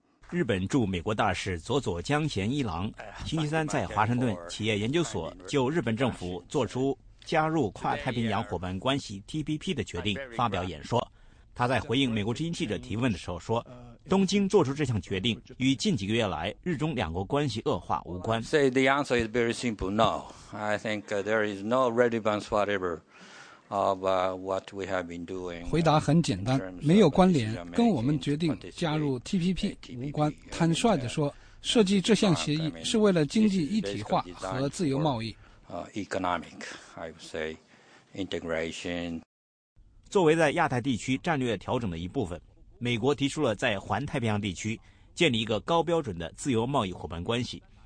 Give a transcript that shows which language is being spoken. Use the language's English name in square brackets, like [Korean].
[Chinese] 日本驻美国大使佐佐江贤一郎星期三在华盛顿企业研究所就日本政府做出加入跨太平洋伙伴关系 TPP 的决定发表演说。他在回应美国之音记者提问的时候说，东京做出这项决定与近几个月来日中两国关系恶化无关。 [English] The answer is very simple, no. I think there is no relevance whatever of what we have been doing. [Chinese] 回答很简单，没有关联，跟我们决定加入 TPP 无关。坦率地说，设计这项协议是为了经济一体化和自由贸易。 [English] Economic, I would say, integration. [Chinese] 作为在亚太地区战略调整的一部分，美国提出了在环太平洋地区建立一个高标准的自由贸易伙伴关系。